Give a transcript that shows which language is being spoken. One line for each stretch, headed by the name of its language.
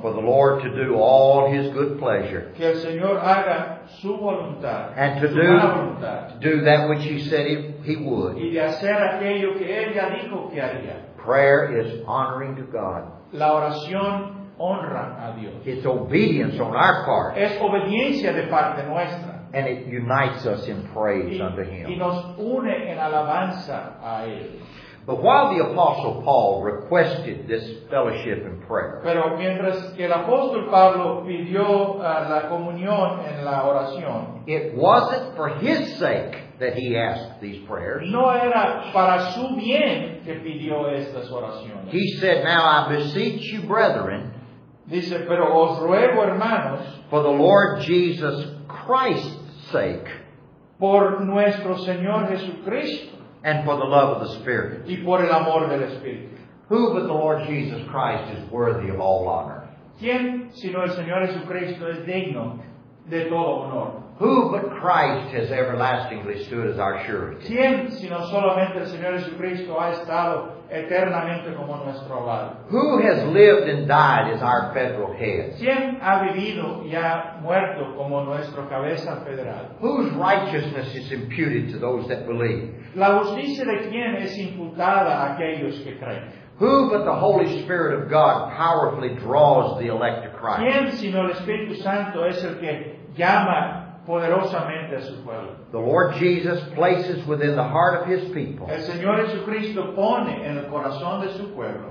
English: for the Lord to do all his good pleasure.
Spanish: Que el Señor haga su voluntad,
English: and to
Spanish: su
English: do that which he said he would.
Spanish: Y de hacer aquello que él ya dijo que haría.
English: Prayer is honoring to God.
Spanish: La oración honra a Dios.
English: It's obedience on our part.
Spanish: Es obediencia de parte nuestra.
English: And it unites us in praise unto him.
Spanish: Y nos une en alabanza a él.
English: But while the Apostle Paul requested this fellowship and prayer,
Spanish: pero mientras que el apóstol Pablo pidió la comunión en la oración,
English: it wasn't for his sake that he asked these prayers.
Spanish: No era para su bien que pidió estas oraciones.
English: He said, "Now I beseech you, brethren."
Spanish: Dice, pero os ruego, hermanos,
English: for the Lord Jesus Christ's sake,
Spanish: por nuestro Señor Jesucristo.
English: And for the love of the Spirit.
Spanish: Y por el amor del Espíritu.
English: Who but the Lord Jesus Christ is worthy of all honor?
Spanish: ¿Quién sino el Señor Jesucristo es digno de todo honor?
English: Who but Christ has everlastingly stood as our surety?
Spanish: ¿Quién sino solamente el Señor Jesucristo ha estado eternamente como nuestro abad?
English: Who has lived and died as our federal head?
Spanish: ¿Quién ha vivido y ha muerto como nuestro cabeza federal?
English: Whose righteousness is imputed to those that believe?
Spanish: ¿La justicia de quién es imputada a aquellos que creen?
English: Who but the Holy Spirit of God powerfully draws the elect to Christ?
Spanish: ¿Quién sino el Espíritu Santo es el que llama poderosamente a su pueblo?
English: The Lord Jesus places within the heart of his people
Spanish: el Señor Jesucristo pone en el corazón de su pueblo